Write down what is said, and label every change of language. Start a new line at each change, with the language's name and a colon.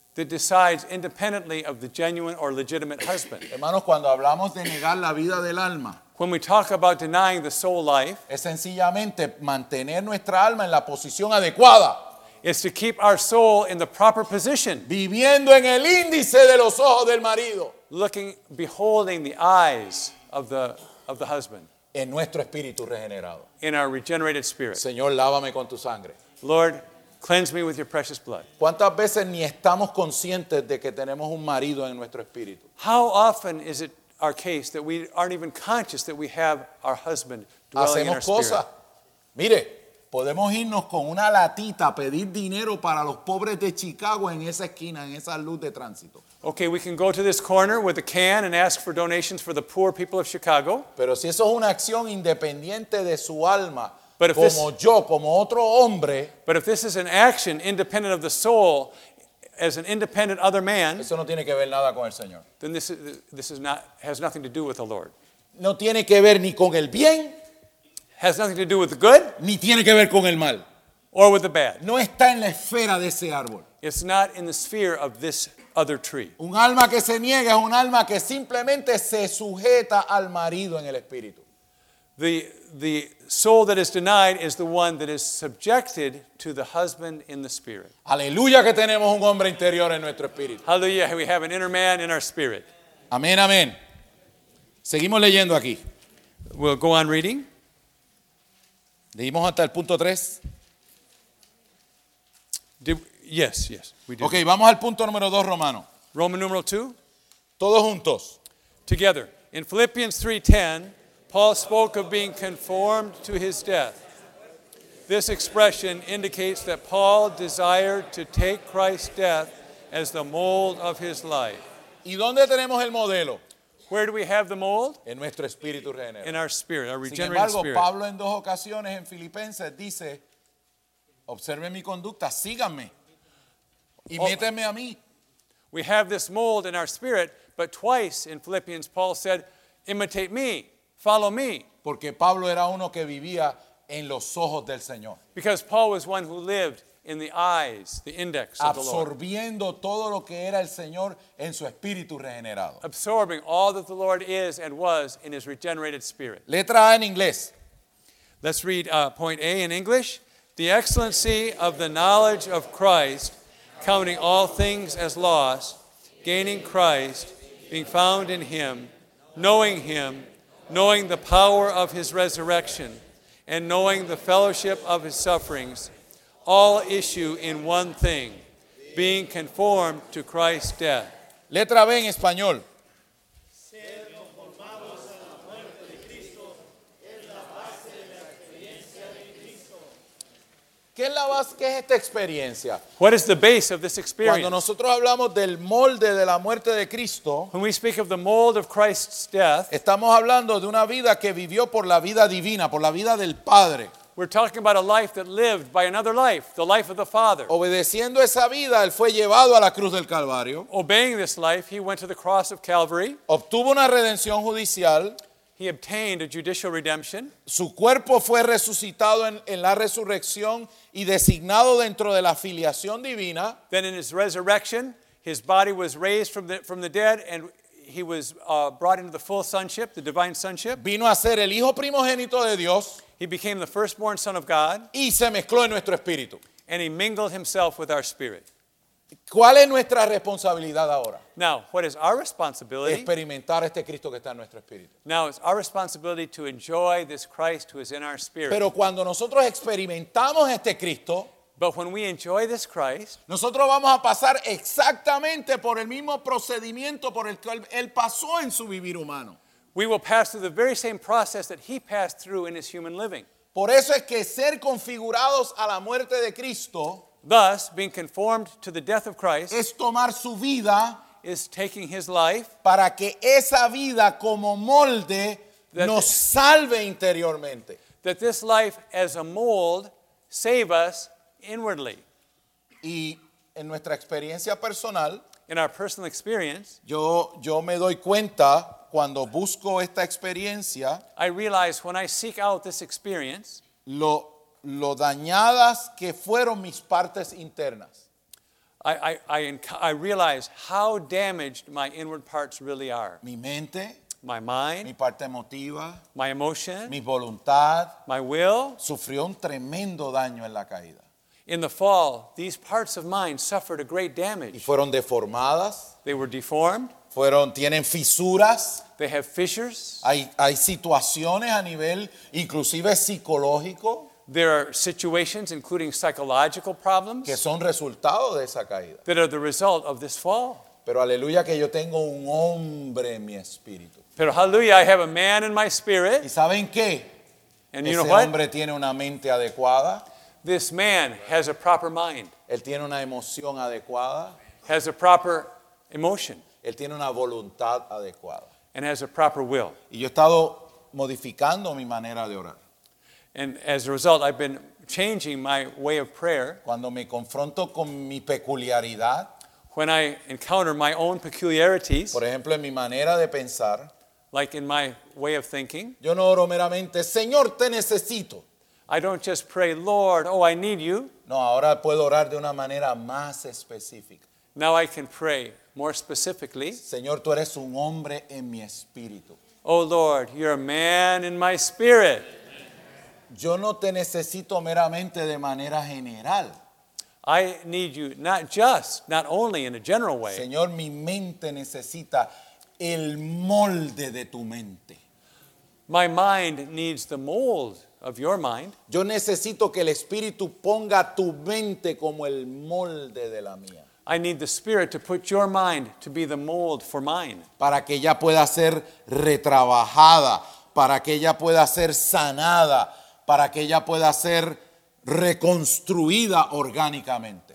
English: That decides independently of the genuine or legitimate husband.
Spanish: Hermanos, cuando hablamos de negar la vida del alma,
English: when we talk about denying the soul life,
Spanish: es sencillamente mantener nuestra alma en la posición adecuada.
English: Is to keep our soul in the proper position.
Spanish: Viviendo en el índice de los ojos del marido.
English: Looking, beholding the eyes of the husband.
Spanish: En nuestro espíritu regenerado.
English: In our regenerated spirit.
Spanish: Señor, lávame con tu sangre.
English: Lord, cleanse me with your precious blood.
Spanish: ¿Cuántas veces ni estamos conscientes de que tenemos un marido en nuestro espíritu?
English: How often is it our case that we aren't even conscious that we have our husband dwelling
Spanish: hacemos
English: in our
Spanish: cosas.
English: Spirit?
Spanish: Mire, podemos irnos con una latita a pedir dinero para los pobres de Chicago en esa esquina, en esa luz de tránsito.
English: Okay, we can go to this corner with a can and ask for donations for the poor people of Chicago.
Spanish: Pero si eso es una acción independiente de su alma, como yo, como otro hombre.
English: But if this is an action independent of the soul, as an independent other man.
Spanish: Eso no tiene que ver nada con el Señor.
English: Then this has nothing to do with the Lord.
Spanish: No tiene que ver ni con el bien.
English: Has nothing to do with the good.
Spanish: Ni tiene que ver con el mal.
English: Or with the bad.
Spanish: No está en la esfera de ese árbol.
English: It's not in the sphere of this other tree.
Spanish: Un alma que se niega es un alma que simplemente se sujeta al marido en el espíritu.
English: The soul that is denied is the one that is subjected to the husband in the spirit.
Spanish: Aleluya que tenemos un hombre interior en nuestro espíritu.
English: Hallelujah, we have an inner man in our spirit.
Spanish: Amén, amén. Seguimos leyendo aquí.
English: We'll go on reading.
Spanish: Leímos hasta el punto 3.
English: Yes, we did.
Spanish: Okay, vamos al punto número 2, Romano.
English: Roman numeral 2.
Spanish: Todos juntos.
English: Together. In Philippians 3:10, Paul spoke of being conformed to his death. This expression indicates that Paul desired to take Christ's death as the mold of his life.
Spanish: ¿Y dónde tenemos el modelo?
English: Where do we have the mold?
Spanish: En nuestro espíritu regenerado.
English: In our spirit, our regenerated
Spanish: Sin embargo, Pablo en dos ocasiones en Filipenses dice, observen mi conducta, síganme, imítenme a mí.
English: We have this mold in our spirit, but twice in Philippians, Paul said, imitate me. follow me.
Spanish: Porque Pablo era uno que vivía en los ojos del Señor.
English: Because Paul was one who lived in the eyes, the index of the Lord.
Spanish: Absorbiendo todo lo que era el Señor en su espíritu regenerado.
English: Absorbing all that the Lord is and was in his regenerated spirit.
Spanish: Letra A en inglés.
English: Let's read point A in English. The excellency of the knowledge of Christ, counting all things as loss, gaining Christ, being found in him, knowing the power of his resurrection, and knowing the fellowship of his sufferings, all issue in one thing, being conformed to Christ's death.
Spanish: Letra B en español. ¿Qué es la base, qué es esta experiencia?
English: What is the base of this experience?
Spanish: Cuando nosotros hablamos del molde de la muerte de Cristo,
English: when we speak of the mold of Christ's death,
Spanish: estamos hablando de una vida que vivió por la vida divina, por la vida del Padre.
English: We're talking about a life that lived by another life, the life of the Father.
Spanish: Obedeciendo esa vida, él fue llevado a la cruz del Calvario.
English: Obeying this life, he went to the cross of Calvary.
Spanish: Obtuvo una redención judicial.
English: He obtained a judicial redemption.
Spanish: Su cuerpo fue resucitado en la resurrección y designado dentro de la filiación divina.
English: Then in his resurrection, his body was raised from the dead and he was brought into the full sonship, the divine sonship.
Spanish: Vino a ser el hijo primogénito de Dios.
English: He became the firstborn son of God.
Spanish: Y se mezcló en nuestro espíritu.
English: And he mingled himself with our spirit.
Spanish: ¿Cuál es nuestra responsabilidad ahora?
English: Now, what is our responsibility?
Spanish: Experimentar este Cristo que está en nuestro espíritu.
English: Now, it's our responsibility to enjoy this Christ who is in our spirit.
Spanish: Pero cuando nosotros experimentamos este Cristo,
English: but when we enjoy this Christ,
Spanish: nosotros vamos a pasar exactamente por el mismo procedimiento por el cual él pasó en su vivir humano.
English: We will pass through the very same process that he passed through in his human living.
Spanish: Por eso es que ser configurados a la muerte de Cristo,
English: thus, being conformed to the death of Christ,
Spanish: es tomar su vida,
English: is taking his life,
Spanish: para que esa vida como molde nos salve interiormente.
English: That this life as a mold save us inwardly.
Spanish: Y en nuestra experiencia personal,
English: in our personal experience,
Spanish: yo me doy cuenta cuando busco esta experiencia,
English: I realize when I seek out this experience,
Spanish: lo dañadas que fueron mis partes internas.
English: I realize how damaged my inward parts really are.
Spanish: Mi mente,
English: my mind,
Spanish: mi parte emotiva,
English: my emotion,
Spanish: mi voluntad,
English: my will,
Spanish: sufrió un tremendo daño en la caída.
English: In the fall, these parts of mine suffered a great damage.
Spanish: Y fueron deformadas.
English: They were deformed.
Spanish: Tienen fisuras.
English: They have fissures.
Spanish: Hay situaciones a nivel inclusive psicológico.
English: There are situations, including psychological problems,
Spanish: que son resultado de esa caída,
English: that are the result of this fall.
Spanish: Pero aleluya que yo tengo un hombre en mi espíritu. Pero
English: hallelujah, I have a man in my spirit.
Spanish: ¿Y saben qué?
English: And you know what?
Spanish: Ese hombre tiene una mente adecuada.
English: This man has a proper mind.
Spanish: Él tiene una emoción adecuada.
English: Has a proper emotion.
Spanish: Él tiene una voluntad adecuada.
English: And has a proper will.
Spanish: Y yo he estado modificando mi manera de orar.
English: And as a result, I've been changing my way of prayer.
Spanish: Cuando me confronto con mi peculiaridad,
English: when I encounter my own peculiarities,
Spanish: por ejemplo, en mi manera de pensar,
English: like in my way of thinking,
Spanish: yo no oro meramente, Señor, te necesito.
English: I don't just pray, Lord, oh, I need you.
Spanish: No, ahora puedo orar de una manera más específica.
English: Now I can pray more specifically.
Spanish: Señor, tú eres un hombre en mi espíritu.
English: Oh, Lord, you're a man in my spirit.
Spanish: Yo no te necesito meramente de manera general.
English: I need you not just, not only in a general way.
Spanish: Señor, mi mente necesita el molde de tu mente.
English: My mind needs the mold of your mind.
Spanish: Yo necesito que el Espíritu ponga tu mente como el molde de la mía.
English: I need the Spirit to put your mind to be the mold for mine.
Spanish: Para que ella pueda ser retrabajada, para que ella pueda ser sanada, para que ella pueda ser reconstruida orgánicamente.